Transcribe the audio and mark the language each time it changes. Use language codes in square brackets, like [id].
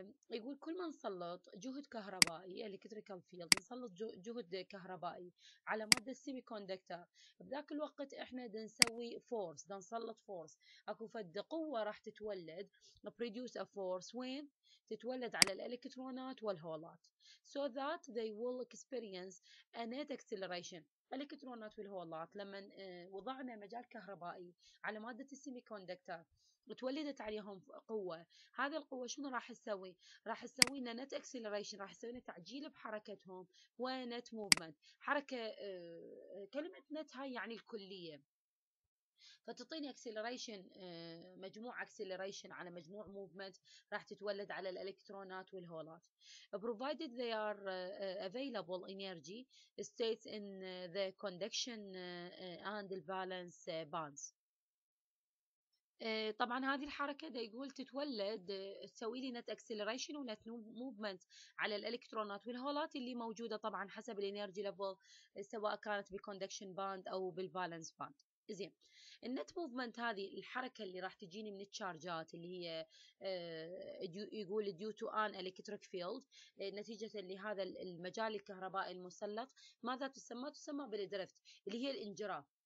[ar] يقول كل ما نسلط جهد كهربائي electrical field، نسلط جهد كهربائي على مادة السيمي كوندكتر، بذاك الوقت احنا دنسوي force، دنسلط force، اكو فد قوة راح تتولد produce a force، وين تتولد؟ على الالكترونات والهولات. [en] So that they will experience a net acceleration. [ar] الالكترونات والهولات لما وضعنا مجال كهربائي على مادة السيمي كوندكتر وتولدت عليهم قوة، هذه القوة شنو راح تسوي؟ راح تسوي لنا نت اكسلريشن، راح تسوي لنا تعجيل بحركتهم ونت موفمنت. حركة كلمة نت هاي يعني الكلية، فتعطيني acceleration مجموع acceleration على مجموع movement راح تتولد على الالكترونات والهولات. [en] provided they are available energy states in the conduction and the balance bands. [ar] طبعا هذه الحركة ده يقول تتولد تسوي لي net acceleration و net movement على الالكترونات والهولات اللي موجودة طبعا حسب الانيرجي level، سواء كانت بالconduction band او بالبالانس band. زين، النت موفمنت هذه الحركة اللي راح تجيني من الشارجات اللي هي يقول due to an electric field، نتيجة لهذا المجال الكهربائي المسلط، ماذا تسمى؟ تسمى بالدريفت، اللي هي الانجراف.